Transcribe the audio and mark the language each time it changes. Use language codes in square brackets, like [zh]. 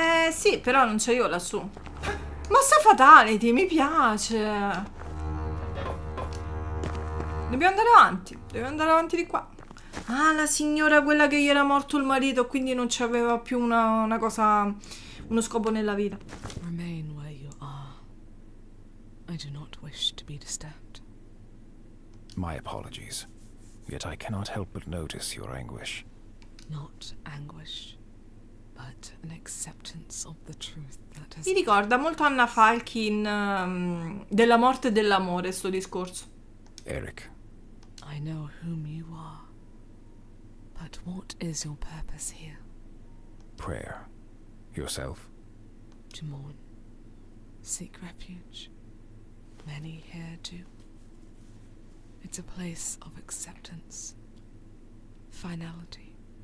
[it] Sì, però non c'ho io lassù. Mossa fatality, mi piace. Dobbiamo andare avanti. Dobbiamo andare avanti di qua. Ah, la signora quella che gli era morto il marito, quindi non c'aveva più una cosa, uno scopo nella vita. [en] Remain where you are. I do not wish to be disturbed. My apologies. Yet I cannot help but notice your anguish. Not anguish, but an acceptance of the truth that has... [it] Mi ricorda molto Anna Falkin, della morte e dell'amore, sto discorso. [en] Eric. I know whom you are. But what is your purpose here? Prayer. Yourself? To mourn. Seek refuge. Many here do. It's a place of acceptance. Finality.